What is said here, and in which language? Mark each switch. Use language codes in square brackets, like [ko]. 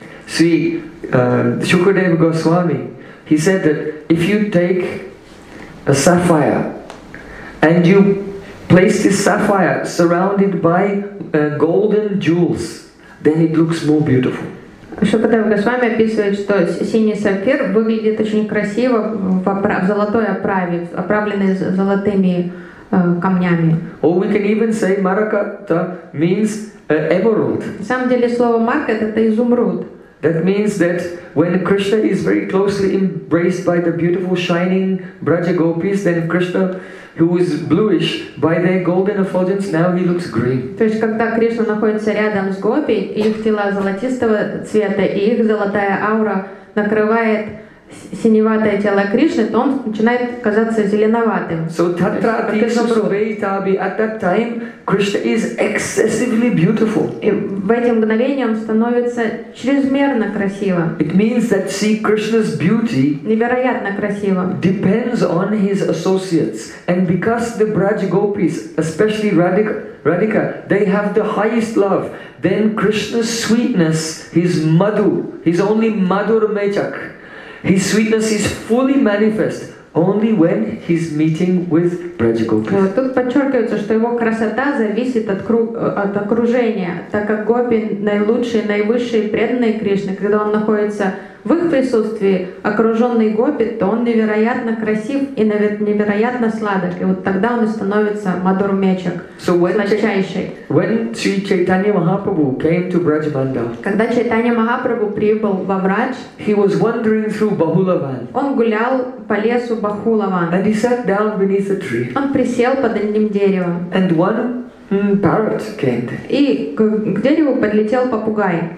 [en] See, Shukadeva Goswami, he said that if you take a sapphire and you place this sapphire surrounded by golden jewels, then it looks more beautiful. [ru] Шукадева Госвами описывает, что синий сапфир выглядит очень красиво в золотой оправе, оправленный золотыми камнями. [en] Or we can even say marakata means emerald. [ru] На самом деле слово маркат — это изумруд. [en] That means that when Krishna is very closely embraced by the beautiful shining Braja Gopis, then Krishna, who is bluish by their golden effulgence, now he looks green. [ru] То есть когда Кришна находится рядом с Гопи, их тела золотистого цвета, и их золотая аура накрывает синеватое тело Кришны, то он начинает казаться зеленоватым. [en] So tatra tisu subeta bi, at that time Krishna is excessively beautiful. [ru] И в эти мгновения он становится чрезмерно красиво. [en] It means that see Krishna's beauty [ru] невероятно красиво. [en] Depends on his associates, and because the Braj Gopis, especially Radhika, they have the highest love, then Krishna's sweetness, his madhu, his only madhur mechak. His sweetness is fully manifest only when he's meeting with Braja Gopis. [ru] Тут подчеркивается, что его красота зависит от от окружения, так как Гопи наилучшие, наивысшие преданные Кришны. Когда он находится в их присутствии, окруженный Гопи, то он невероятно красив и невероятно сладок. И вот тогда он и становится Мадур Мечак, сладчайший. [en] When Sri Chaitanya Mahaprabhu came to Braj Mandal, [ru] когда Чайтанья Махапрабху прибыл во Врадж, [en] he was wandering through Бахулаван. [ru] Он гулял по лесу Бахулаван. [en] And he sat down beneath a tree. [ru] Он присел под одним деревом. [en] And one parrot came. [ru] И к дереву подлетел попугай.